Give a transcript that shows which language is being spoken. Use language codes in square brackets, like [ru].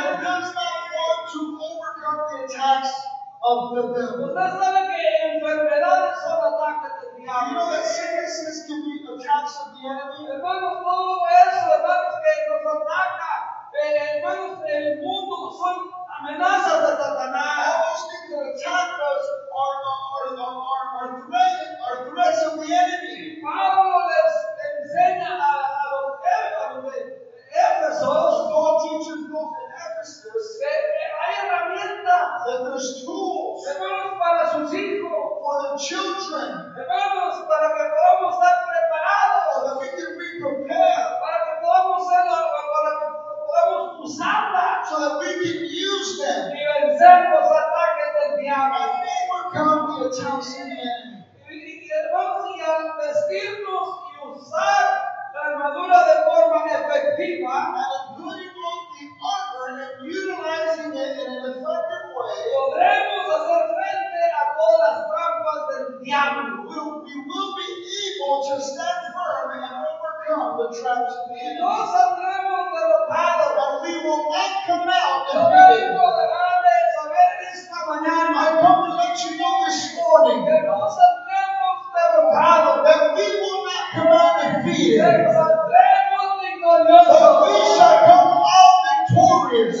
[en] That does not want to overcome the attacks of the devil. [es] Usted sabe que enfermedades son ataques del diablo. [en] You know that sicknesses can be attacks of the enemy. [es] Hermanos, todo eso, hermanos, que nos ataca, hermanos, el mundo son amenazas de Satanás. [en] All those things that attack us are threats of the enemy. [es] Pablo les enseña a los Éfesos, [en] Paul teaches both in Ephesus, [es] hay herramienta, [en] that there's tools, [es] hermanos, para sus hijos, [en] for the children, [es] hermanos, para que podamos estar preparados, [en] so that we can be prepared, [es] para que podamos usarla, [en] so that we can use them, [es] y vencer los ataques del diablo. Y al vestirnos y usar la armadura de forma efectiva, podremos hacer frente a todas las trampas del diablo. [en] We will be able to stand firm and overcome the traps of the enemy. [es] No saldremos derrotados. [en] But we will not come out. [es] Mañana. [en] I come to let you know this morning that we will not come out defeated, but we shall come out victorious.